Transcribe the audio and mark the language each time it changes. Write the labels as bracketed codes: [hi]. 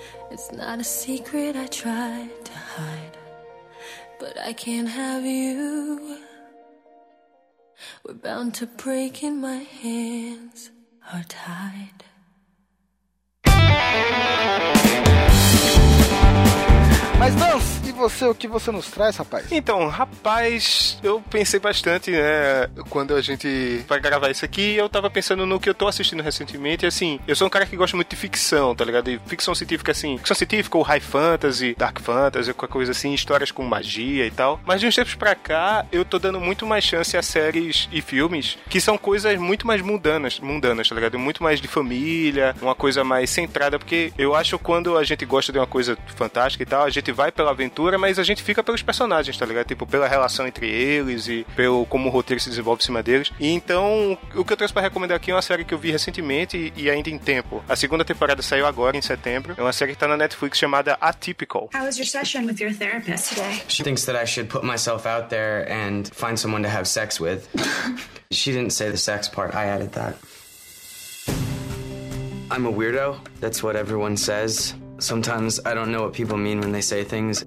[en] It's not a secret I tried to hide, but I can't have you. We're bound to break and my hands are tied. [pt] Mas não, e você, o que você nos traz, rapaz? Então, rapaz, eu pensei bastante, né, quando a gente vai gravar isso aqui, eu tava pensando no que eu tô assistindo recentemente, assim, eu sou um cara que gosta muito de ficção, tá ligado? E ficção científica, assim, ficção científica ou high fantasy, dark fantasy, qualquer coisa assim, histórias com magia e tal. Mas de uns tempos pra cá, eu tô dando muito mais chance a séries e filmes que são coisas muito mais mundanas, tá ligado? Muito mais de família, uma coisa mais centrada, porque eu acho que quando a gente gosta de uma coisa fantástica e tal, a gente vai pela aventura, mas a gente fica pelos personagens, tá ligado? Tipo, pela relação entre eles e pelo como o roteiro se desenvolve em cima deles. E então, o que eu trouxe pra recomendar aqui é uma série que eu vi recentemente e ainda em tempo. A segunda temporada saiu agora, em setembro. É uma série que tá na Netflix chamada Atypical. [en] How was your session with your therapist today? She thinks that I should put myself out there and find someone to have sex with. She didn't say the sex part, I added that. I'm a weirdo, that's what everyone says. Sometimes I don't know what people mean when they say things.